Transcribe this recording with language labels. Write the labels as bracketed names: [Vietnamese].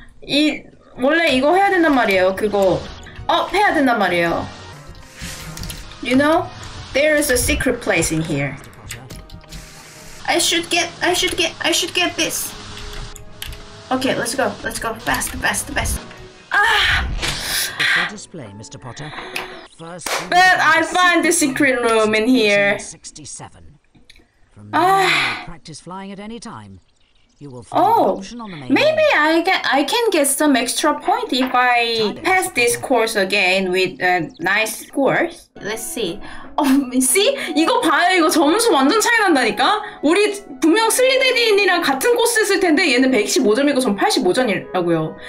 [Korean] 이 원래 이거 해야 된단 말이에요. 그거 up 해야 된단 말이에요. [English] You know, there is a secret place in here. I should get this. Okay, let's go. Let's go fast, fast, fast. Ah! Before display, Mr. Potter. First. But I find the secret room in here. 67. From now on, practice flying at any time. You will find an option on the main. Maybe I can get some extra point if I pass this course again with a nice score. Let's see. See? [Korean] 이거 봐요. 이거 점수 완전 차이 난다니까? 우리 분명 슬리데린이랑 같은 코스 했을 텐데 얘는 115점이고 전 85점이라고요.